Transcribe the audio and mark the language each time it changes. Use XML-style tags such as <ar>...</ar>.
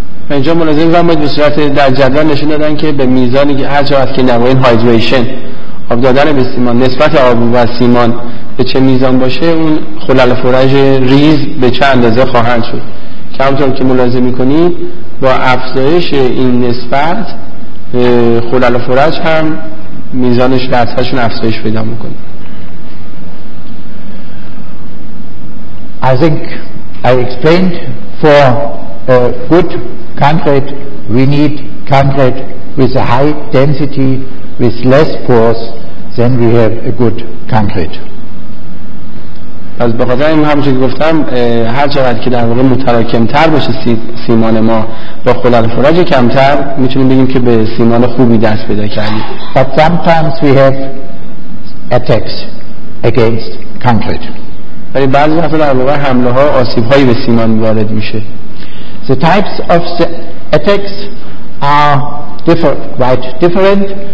<fa>اینجا ملاحظه می‌کنید به صورت در جدول نشون دادن که به میزانی که هر چقدر که نوع این هایدریشن آب دادن به سیمان نسبت آب و سیمان به چه میزان باشه، اون خلل و فرج ریز به چه اندازه خواهند شد. کمتر که ملاحظه می‌کنید با افزایش این نسبت خلل و فرج هم میزانش درصدشون افزایش پیدا می‌کنه.</fa> <en>I think I explained for good concrete, we need concrete with a high density, with less pores, then we have a good concrete.</en> <fa>پس به خاطر این همونجوری که گفتم، هر چقدر که در واقع متراکم‌تر باشه سیمان ما با خلل و فرج کمتر، میتونیم بگیم که به سیمان خوبی دست پیدا کردیم.</fa> <en>But sometimes we have attacks against concrete.</en> <fa>ولی بعضی وقتا در واقع حمله ها آسیب هایی به سیمان وارد میشه.</fa> <en>The types of the attacks are quite different.</en>